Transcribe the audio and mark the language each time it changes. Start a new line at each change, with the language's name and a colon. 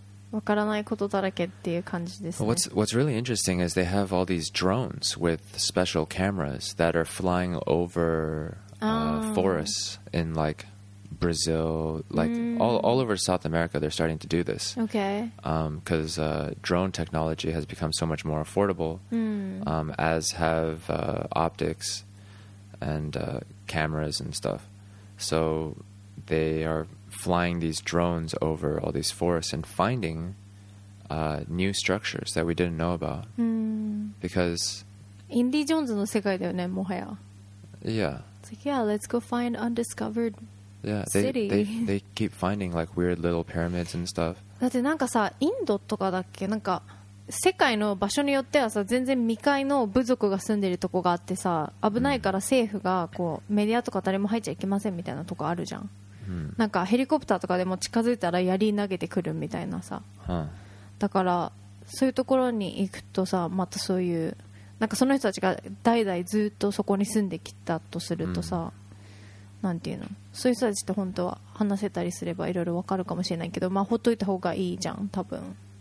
Japanese: わからないことだらけっていう感じですね。
English: What's really interesting is they have all these drones with special cameras that are flying over forests in like Brazil, like all over South America. They're starting to do this. Okay. Because drone technology has become so much more affordable. As have optics and cameras and stuff. So they are. Flying these drones over all these forests and finding new structures that we didn't know about. Because
Japanese: Indiana Jones の世界だよね、もはや。
English: Yeah. It's like, yeah, let's go find undiscovered city. They keep finding like weird little pyramids and stuff.
Japanese: だってなんかさ、インドとかだっけ、なんか世界の場所によってはさ、全然未開の部族が住んでるとこがあってさ、危ないから政府がこうメディアとか誰も入っちゃいけませんみたいなとこあるじゃん。なんかヘリコプターとかでも近づいたら槍投げてくるみたいなさ、だからそういうところに行くとさ、またそういうなんかその人たちが代々ずっとそこに住んできたとするとさ、なんていうの、そういう人たちって本当は話せたりすればいろいろわかるかもしれないけど、まあほっといた方がいいじゃん多分。